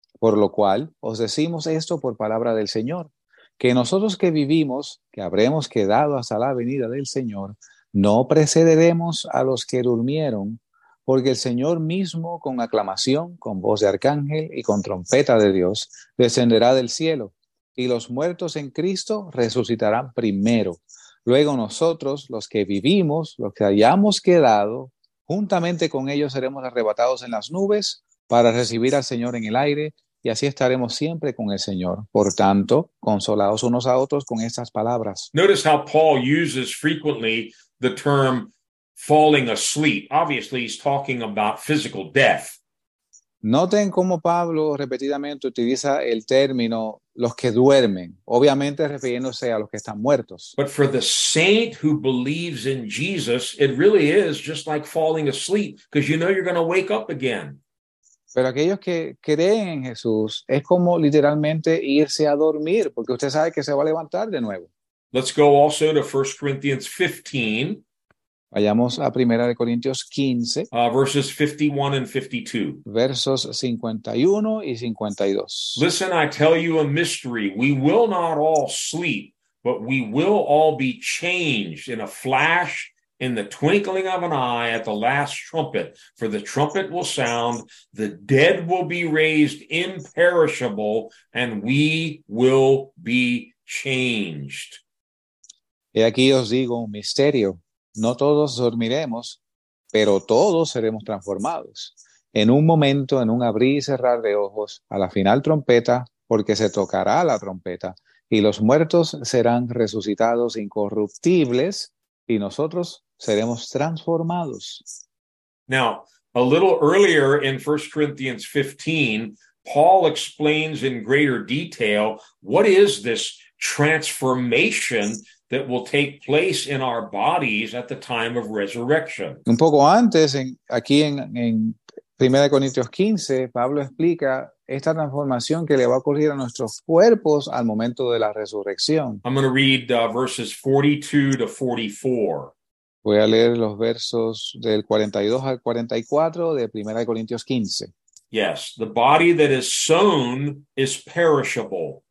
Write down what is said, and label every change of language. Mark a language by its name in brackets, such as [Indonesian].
[Spanish] Por lo cual, os decimos esto por palabra del Señor, que nosotros que vivimos, que habremos quedado hasta la venida del Señor, no precederemos a los que durmieron, porque el Señor mismo, con aclamación, con voz de arcángel y con trompeta de Dios, descenderá del cielo, y los muertos en Cristo resucitarán primero. Luego nosotros, los que vivimos, los que hayamos quedado, juntamente con ellos seremos arrebatados en las nubes para recibir al Señor en el aire, y así estaremos siempre con el Señor. Por tanto, consolaos unos a otros con estas palabras. [English] Notice how Paul uses frequently the term falling asleep. Obviously, he's talking about physical death. [Spanish] Noten cómo Pablo repetidamente utiliza el término los que duermen, obviamente refiriéndose a los que están muertos. [English] But for the saint who believes in Jesus, it really is just like falling asleep, because you know you're going to wake up again. [Spanish] Pero aquellos que creen en Jesús, es como literalmente irse a dormir, porque usted sabe que se va a levantar de nuevo. [English] Let's go also to 1 Corinthians 15. [Spanish] Vayamos a 1 Corintios 15. [English] Verses 51 and 52. [Spanish] Versos 51 y 52. [English] Listen, I tell you a mystery. We will not all sleep, but we will all be changed in a flash, in the twinkling of an eye, at the last trumpet. For the trumpet will sound, the dead will be raised imperishable, and we will be changed. [Spanish] Y aquí os digo un misterio. No todos dormiremos, pero todos seremos transformados. En un momento, en un abrir y cerrar de ojos, a la final trompeta, porque se tocará la trompeta, y los muertos serán resucitados incorruptibles, y nosotros seremos transformados. [English] Now, a little earlier in 1 Corinthians 15, Paul explains in greater detail what is this transformation that will take place in our bodies at the time of resurrection. [Spanish] Un poco antes, aquí en 1 Corintios 15, Pablo explica esta transformación que le va a ocurrir a nuestros cuerpos al momento de la resurrección. [English] I'm going to read verses 42 to 44. [Spanish] Voy a leer los versos del 42 al 44 de 1 Corintios 15. [English] Yes, the body that is sown is perishable.